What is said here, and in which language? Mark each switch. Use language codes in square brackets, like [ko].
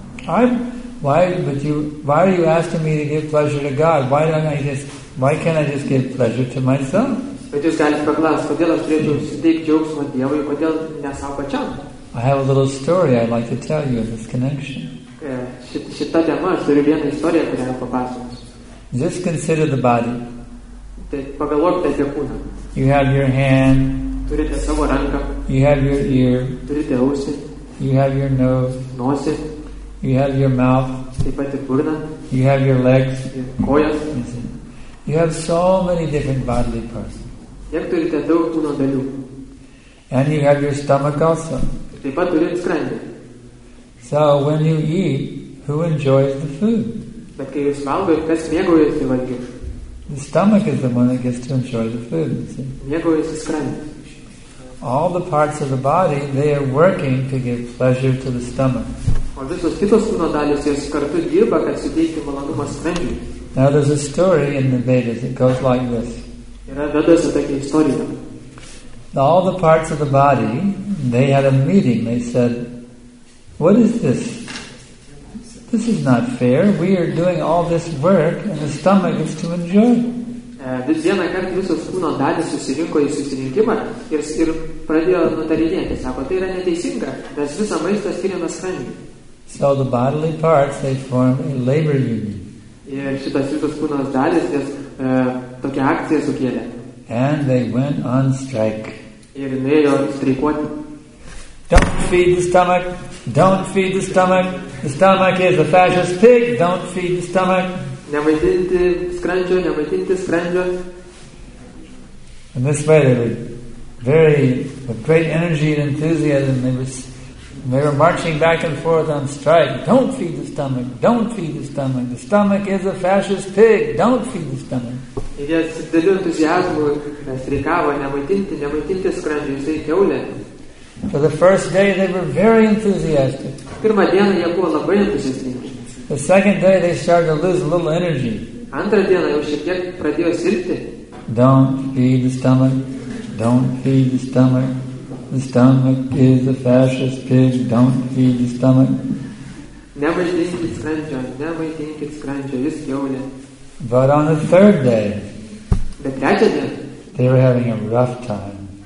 [en] Why are you asking me to give pleasure to God? Why can't I just give pleasure to myself? I have a little story I'd like to tell you in this connection. [lt] Šita tema, aš turiu vieną istoriją, kurią papasakos. [en] Just consider the body. [lt] Pagalvokite apie kūną. [en] You have your hand. [lt] Turite savo ranką. [en] You have your ear. [lt] Turite ausį. [en] You have your nose. [lt] Nosį. [en] You have your mouth. [lt] Taip pat ir burną. [en] You have your legs. [lt] Ir kojas. [en] You have so many different bodily parts. [lt] Tiek turite daug kūno dalių. [en] And you have your stomach also. [lt] Taip pat turite skrandį. [en] So when you eat, who enjoys the food? [lt] Bet kai jūs valgote, kas mėgaujasi valgiu? [en] The stomach is the one that gets to enjoy the food. [lt] Mėgaujasi skrandis. [en] All the parts of the body, they are working to give pleasure to the stomach. [lt] O visos kitos kūno dalys, jos kartu dirba, kad suteikti malonumą skrandžiui. [en] Now there's a story in the Vedas. It goes like this. [lt] Yra Vedose tokia istorija. [en] All the parts of the body, they had a meeting. They said, what is this? This is not fair. We are doing all this work and the stomach is to enjoy. [lt] Vis vieną kartą visos kūno dalys susirinko į susirinkimą ir pradėjo nutarinėti. Sako, tai yra neteisinga. Mes visą maistą skiriame skrandžiui. [en] So the bodily parts, they form a labor union. [lt] Ir šitas visos kūno dalys, jas tokia akcija sukėlė. [en] And they went on strike. [lt] Ir nuėjo streikuoti. [en] Don't feed the stomach. Don't feed the stomach. The stomach is a fascist pig. Don't feed the stomach. [lt] Nemaitinti skrandžio, nemaitinti skrandžio. [en] In this way, they were very, with great energy and enthusiasm, they were marching back and forth on strike. Don't feed the stomach. Don't feed the stomach. The stomach is a fascist pig. Don't feed the stomach. [lt] Ir jie su dideliu entuziazmu streikavo, nemaitinti skrandžio, jisai kiaulė. [en] For the first day, they were very enthusiastic. [lt] Pirmą dieną jie buvo labai entuziastingi. [en] The second day, they started to lose a little energy. [lt] Antrą dieną jau šiek tiek pradėjo silpti. [en] Don't feed the stomach. Don't feed the stomach. The stomach is a fascist pig. Don't feed the stomach. [lt] Nemaitinkit skrandžio, nemaitinkit skrandžio, jis kiaulė. [en] But on the third day, They were having a rough time.